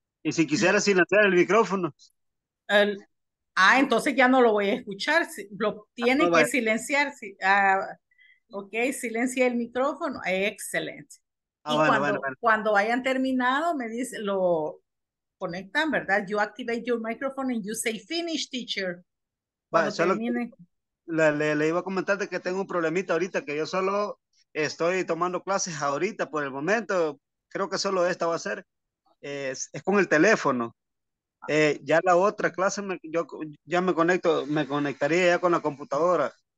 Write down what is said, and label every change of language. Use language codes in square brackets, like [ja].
[es] Y si quisiera silenciar el micrófono. Entonces ya no lo voy a escuchar. Lo tiene que silenciar. Ok, silencia el micrófono. Excelente. Cuando hayan terminado, me dice, lo conectan, ¿verdad? [en] You activate your microphone and you say, finish, teacher. [es] Le iba a comentar de que tengo un problemita ahorita, que yo solo estoy tomando clases ahorita por el momento. Creo que solo esta va a ser. es con el teléfono. Ya la otra clase, yo ya me conectaría ya con la computadora.